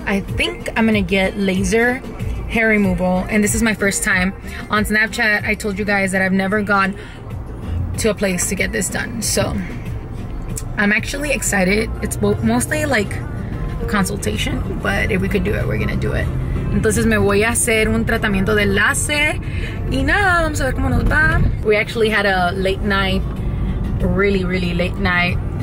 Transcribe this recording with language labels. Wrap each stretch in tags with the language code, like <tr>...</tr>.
<en>I think I'm gonna get laser hair removal, and this is my first time. On Snapchat, I told you guys that I've never gone to a place to get this done, so I'm actually excited. It's mostly like a consultation, but if we could do it, we're gonna do it.</en> <es>Entonces me voy a hacer un tratamiento de láser y nada, vamos a ver cómo nos va.</es> <en>We actually had a late night, really, really late night.</en>